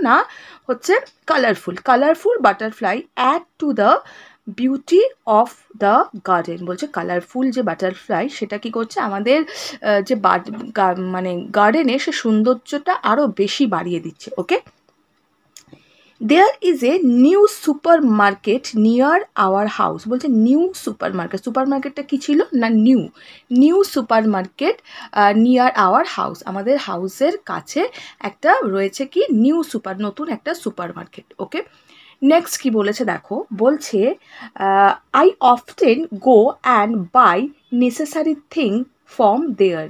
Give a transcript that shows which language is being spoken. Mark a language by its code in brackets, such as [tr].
[bn] না, হচ্ছে colourful, [en] colourful butterfly add to the beauty of the garden, [bn] বলছে colourful যে বাটারফ্লাই সেটা কী করছে আমাদের যে মানে গার্ডেনে সে সৌন্দর্যটা আরও বেশি বাড়িয়ে দিচ্ছে। ওকে, [en] There is a new supermarket near our house. বলছে new supermarket. [bn] Supermarketটা কি ছিল? না new. [en] New supermarket near our house. [bn] আমাদের হাউসের কাছে একটা রয়েছে কি new super নতুন একটা supermarket. Okay. Next কি বলেছে দেখো? [en] বলছে I often go and buy necessary thing from there.